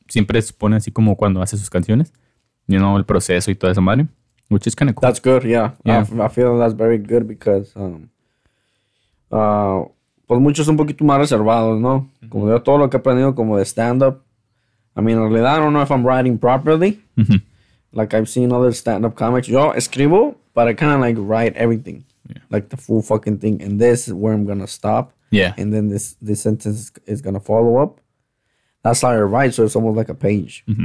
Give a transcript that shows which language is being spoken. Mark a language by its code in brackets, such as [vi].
[es] Siempre se pone así como cuando hace sus canciones. [en] You know, [es] el proceso y toda esa madre. [en] Which is kind of cool. That's good, yeah. I feel that's very good because... [es] pues muchos son un poquito más reservados, ¿no? Mm-hmm. Como yo todo lo que he aprendido como de stand-up. [en] I mean, [es] en realidad, [en] I don't know if I'm writing properly. Mm-hmm. Like, I've seen other stand-up comics. [es] Yo escribo, [en] but I kind of like write everything. Yeah. Like, the full fucking thing. And this is where I'm going to stop. Yeah. And then this sentence is going to follow up. That's how I write, so it's almost like a page.